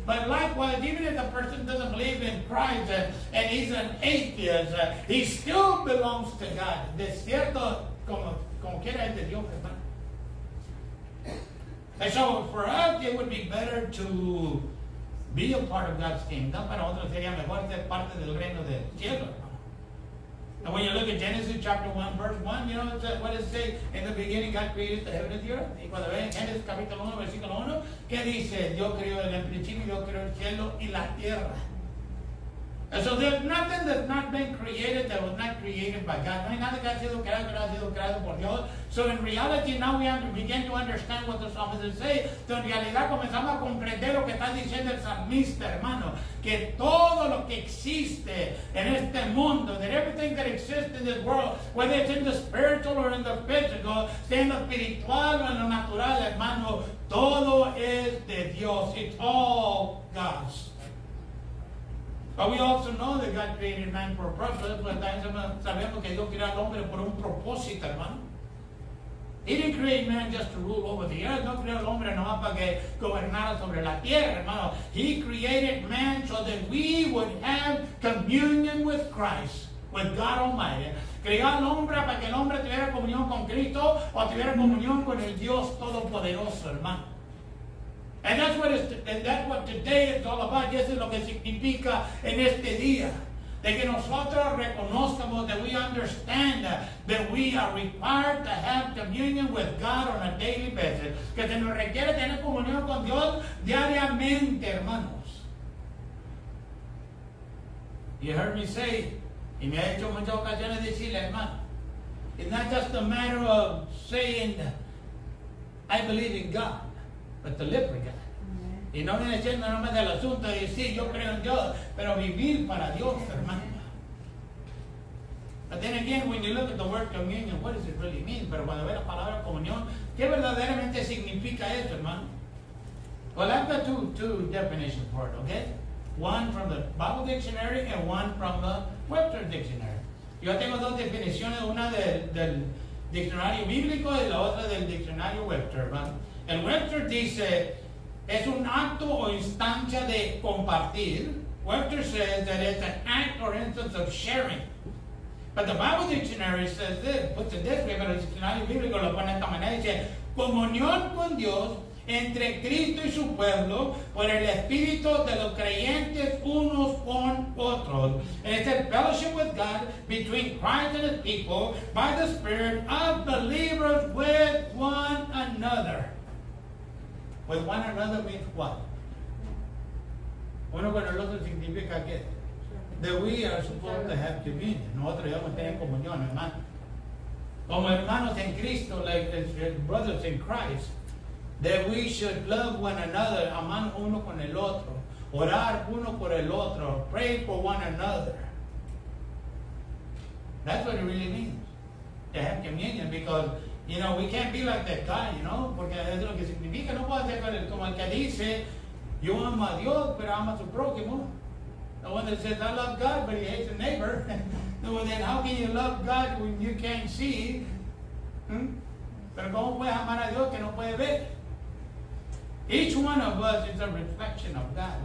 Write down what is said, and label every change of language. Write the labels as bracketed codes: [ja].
[en] But likewise, even if the person doesn't believe in Christ and he's an atheist, he still belongs to God. [es] De cierto, como quiera es de Dios, hermano. [en] And so for us, it would be better to be a part of God's kingdom. [es] Para otros sería mejor ser parte del reino del cielo. [en] And when you look at Genesis chapter 1, verse 1, you know what it says? In the beginning, God created the heaven and the earth. [es] Y cuando ven Genesis capítulo 1, versículo 1, ¿qué dice? Dios creó el principio, Dios creó el cielo y la tierra. [en] And so there's nothing that's not been created that was not created by God. [es] No hay nada que ha sido creado que no ha sido creado por Dios. [en] So in reality, now we begin to understand what the psalmist is saying. [es] So en realidad comenzamos a comprender lo que está diciendo el salmista, hermano. Que todo lo que existe en este mundo, [en] that everything that exists in this world, whether it's in the spiritual or in the physical, [es] sea en lo espiritual o en lo natural, hermano, todo es de Dios. [en] It's all God's. But we also know that God created man for a purpose. [es] Sabemos que Dios creó al hombre por un propósito, hermano. [en] He didn't create man just to rule over the earth. [es] No creó al hombre no para que gobernara sobre la tierra, hermano. [en] He created man so that we would have communion with Christ, with God Almighty. [es] Creó al hombre para que el hombre tuviera comunión con Cristo o tuviera comunión con el Dios Todopoderoso, hermano. [en] And that's what today is all about. [es] Eso es lo que significa en este día. De que nosotros reconozcamos, [en] that we understand that we are required to have communion with God on a daily basis. [es] Que se nos requiere tener comunión con Dios diariamente, hermanos. [en] You heard me say, [es] y me ha hecho muchas ocasiones decirle, hermano, [en] it's not just a matter of saying, I believe in God, but to live with God. [es] Y no viene siendo nomás del asunto de decir, yo creo en Dios, pero vivir para Dios, hermano. [en] But then again, when you look at the word communion, what does it really mean? [es] Pero cuando ve la palabra comunión, ¿qué verdaderamente significa eso, hermano? [en] Well, I've got two definitions for it, okay? One from the Bible Dictionary and one from the Webster Dictionary. [es] Yo tengo dos definiciones, una del diccionario bíblico y la otra del diccionario Webster, hermano. El Webster dice, es un acto o instancia de compartir. [en] Webster says that it's an act or instance of sharing. But the Bible Dictionary says this, puts it this way, [es] pero el diccionario bíblico lo pone de esta manera, dice, comunión con Dios entre Cristo y su pueblo por el espíritu de los creyentes unos con otros. [en] And it's a fellowship with God between Christ and his people by the spirit of believers with one another. With one another means what? [es] Uno con el otro significa que [en] that we are supposed to have communion. [es] Nosotros debemos tener comunión, hermano. Como hermanos en Cristo, [en] like brothers in Christ, [es] that we should love one another, amar uno con el otro, orar uno por el otro, [en] pray for one another. That's what it really means, to have communion, because, you know, [es] we can't be like that guy, you know, porque es lo que significa, no puedo hacer como el que dice, yo amo a Dios, pero amo a su prójimo. [en] The one that says, I love God, but he hates a neighbor. Well, then how can you love God when you can't see? [es] Pero cómo puedes amar a Dios que no puede ver. [en] Each one of us is a reflection of God.